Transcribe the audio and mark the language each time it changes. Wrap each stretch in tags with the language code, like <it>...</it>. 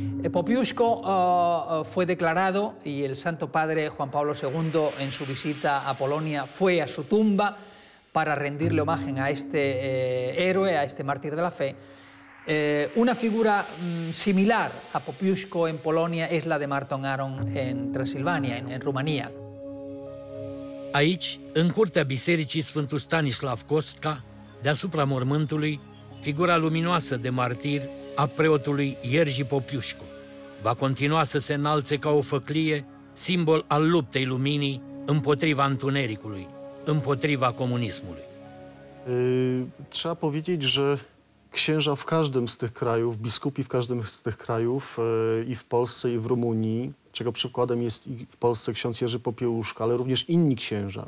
<es>Popiuszko fue declarado y el Santo Padre Juan Pablo II, en su visita a Polonia, fue a su tumba para rendirle homenaje a este héroe, a este mártir de la fe. Una figura similar a Popiuszko en Polonia es la de Marton Aron en Transilvania, en Rumanía.</es> <ro>Aici, în curtea bisericii Sfântul Stanislav Kostka, deasupra mormântului, figura luminoasă de martir a preotului Jerzy Popiuszko va continua să se înalțe ca o făclie, simbol al luptei luminii împotriva întunericului, împotriva comunismului.</ro> <pl>Trzeba powiedzieć, że księża w każdym z tych krajów, biskupi w każdym z tych krajów i w Polsce, i w Rumunii, czego przykładem jest i w Polsce ksiądz Jerzy Popiełuszko, ale również inni księża.</pl>